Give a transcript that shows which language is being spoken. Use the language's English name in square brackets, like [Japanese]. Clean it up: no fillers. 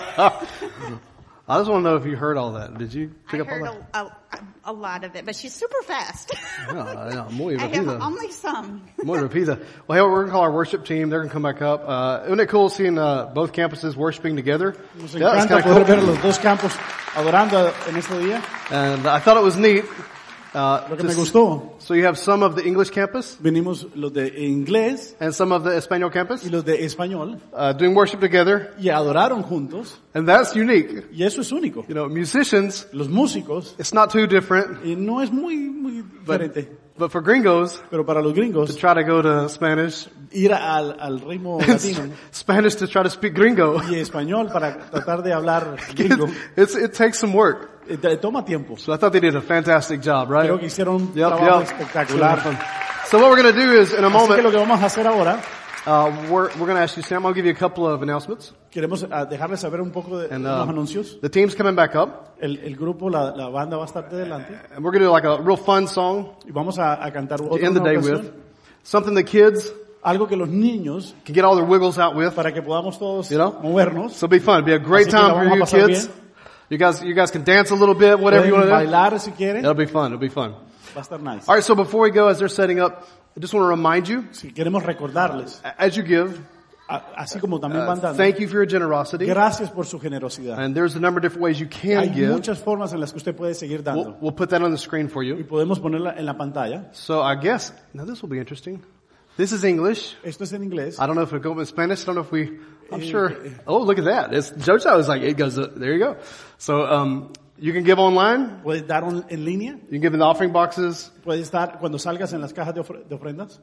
[English] But. I just want to know if you heard all that. Did you pick I up all that? I heard a lot of it, but she's super fast. [Spanish] Yeah, muy rapida. [English] Only some. [Spanish] Muy rapida. [English] Well, hey, we're going to call our worship team. They're going to come back up. Isn't it cool seeing both campuses worshiping together? Yeah, it's kind of cool. [Spanish] Ver los dos campos adorando en este día. [English] And I thought it was neat. [Spanish] Lo que me gustó. [English] So you have some of the English campus. [Spanish] Venimos los de inglés. [English] And some of the Espanol campus. [Spanish] Y los de español. [English] Doing worship together. [Spanish] Y adoraron juntos. [English] And that's unique. [Spanish] Y eso es único. [English] You know, musicians. [Spanish] Los músicos. [English] It's not too different. [Spanish] Y no es muy, muy diferente. [English] But for gringos, [Spanish] pero para los gringos, [English] to try to go to Spanish, [Spanish] ir al ritmo latino, [English] Spanish to try to speak gringo, [Spanish] y español para tratar de hablar gringo, [English] it takes some work. [Spanish] Toma tiempo. [English] So I thought they did a fantastic job, right? [Spanish] Creo que hicieron un trabajo espectacular. [English] So what we're going to do is, in a moment, [Spanish] así que lo que vamos a hacer ahora, [English] we're going to ask you, Sam, I'll give you a couple of announcements. [Spanish] Queremos dejarles saber un poco de los anuncios. [English] The team's coming back up. [Spanish] El grupo, la banda va a estar de delante. [English] And we're going to do like a real fun song. [Spanish] Y vamos a cantar otra canción. [English] To end the day with. Something the kids. [Spanish] Algo que los niños. [English] Can get all their wiggles out with. [Spanish] Para que podamos todos, [English] you know, [Spanish] movernos. [English] So be fun. Be a great [Spanish] así [English] time for you kids. [Spanish] Bien. [English] You guys can dance a little bit, whatever [Spanish] pueden [English] you want to [Spanish] bailar, [English] do. [Spanish] Si quieren. [English] It'll be fun. It'll be fun. [Spanish] Va a estar nice. [English] All right. So before we go, as they're setting up, I just want to remind you. [Spanish] Si queremos recordarles. [English] As you give. [Spanish] Así como también mandando. [English] Thank you for your generosity. [Spanish] Gracias por su generosidad. [English] And there's a number of different ways you can give. [Spanish] Hay muchas formas en las que usted puede seguir dando. [English] We'll put that on the screen for you. [Spanish] Y podemos ponerla en la pantalla. [English] So I guess, now this will be interesting. This is English. [Spanish] Esto es en inglés. [English] I don't know if it goes in Spanish. I don't know if we, I'm sure. Oh, look at that. It's, Jojo is like, it goes, there you go. So, you can give online. [Spanish] Puedes dar en línea. [English] You can give in the offering boxes. [Spanish] Puedes dar cuando salgas en las cajas de ofrendas.